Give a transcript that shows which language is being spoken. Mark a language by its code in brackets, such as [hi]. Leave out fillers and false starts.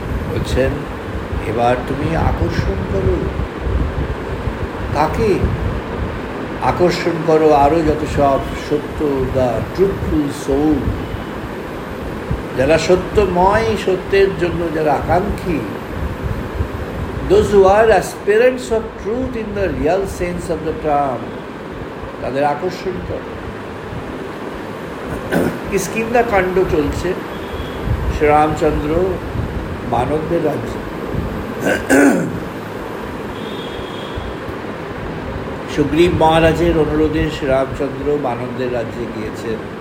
[bn] বলছেন এবার তুমি আকর্ষণ করো, তাকে আকর্ষণ করো আরও যত সব সত্য, [en] the truthful soul, [bn] যারা সত্যময় সত্যের জন্য যারা আকাঙ্ক্ষী [en] those who are aspirants of truth in the real sense of the term, [bn] তাদের আকর্ষণ করে। কিষ্কিন্ধা কাণ্ড চলছে শ্রীরামচন্দ্র মানবদের রাজ্যে, সুগ্রীব মহারাজের অনুরোধে শ্রীরামচন্দ্র মানবদের রাজ্যে গিয়েছেন।